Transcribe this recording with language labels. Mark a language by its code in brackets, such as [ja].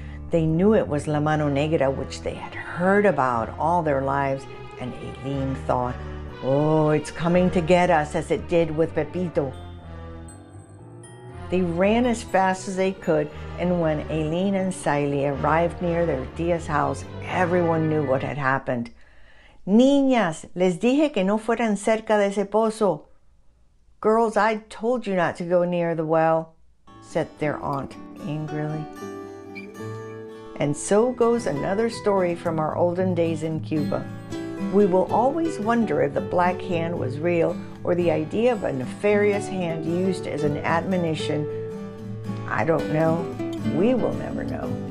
[en] They knew it was La Mano Negra, which they had heard about all their lives, and Aileen thought, oh, it's coming to get us, as it did with Pepito. They ran as fast as they could, and when Aileen and Siley arrived near their tía's house, everyone knew what had happened. [es] Niñas, les dije que no fueran cerca de ese pozo. [en] Girls, I told you not to go near the well, said their aunt angrily. And so goes another story from our olden days in Cuba. We will always wonder if the black hand was real or the idea of a nefarious hand used as an admonition. I don't know. We will never know.